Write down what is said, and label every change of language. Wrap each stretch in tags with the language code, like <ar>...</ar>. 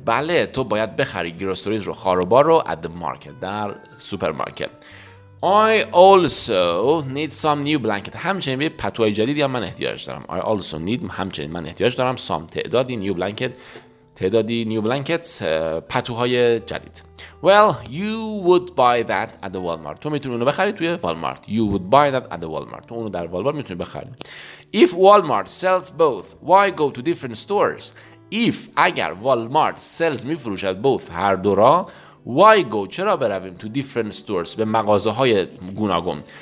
<fa>بله، تو باید بخری گروسریز رو، خاروبار رو،</fa> <en>at the market،</en> <fa>در سوپرمارکت.</fa> <en>I also need some new blanket.</en> <fa>همچنین به پتوهای جدیدی هم من احتیاج دارم.</fa> <en>I also need،</en> <fa>همچنین من احتیاج دارم</fa> <en>some</en> <fa>تعدادی</fa> <en>new blanket،</en> <fa>تعدادی نیو بلانکتس، پتوهای جدید.</fa> <en>Well, you would buy that at the Walmart.</en> <fa>تو میتونی اونو بخری توی والمارت.</fa> <en>You would buy that at the Walmart.</en> <fa>تو اونو در والمارت میتونی بخری.</fa> <en>If Walmart sells both, why go to different stores? If</en> <fa>اگر والمارت سلز میفروشد</fa> <en>both،</en> <fa>هر دو را،</fa> <en>why go،</en> <fa>چرا برویم</fa> <en>to different stores،</en> <fa>به مغازه های گوناگون.</fa>